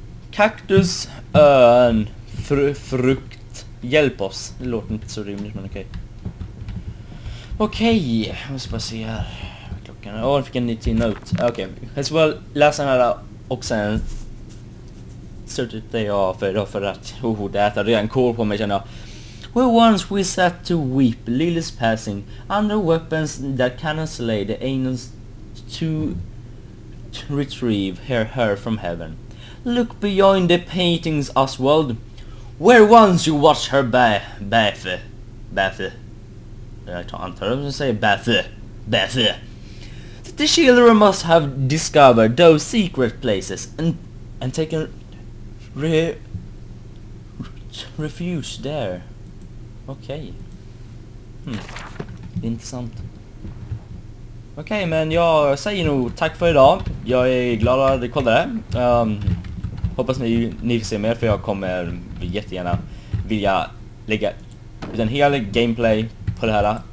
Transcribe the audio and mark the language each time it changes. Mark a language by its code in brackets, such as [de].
[sv] Cactus, örn, frukt, hjälp oss. Det låter inte så rimligt, men okej. Okej, jag måste bara se här. Klockan är, jag fick en ny note. Okej, jag ska bara läsa den här och sen [en] sort it day off [sv] idag för att, det är redan kol på mig känner jag. [en] Where once we sat to weep, Lily's passing, under weapons that cannot slay the angels to retrieve her from heaven. Look beyond the paintings, Oswald. Where once you watched her bathe. [sv] Jag antar att de säger Bathe. [en] That the children must have discovered those secret places and taken refuge there. [sv] Okej. Okay. Intressant. Okej, men jag säger nog tack för idag. Jag är glad att du kollade det. Hoppas ni vill se mer, för jag kommer jättegärna vilja lägga ut en hel gameplay på det här.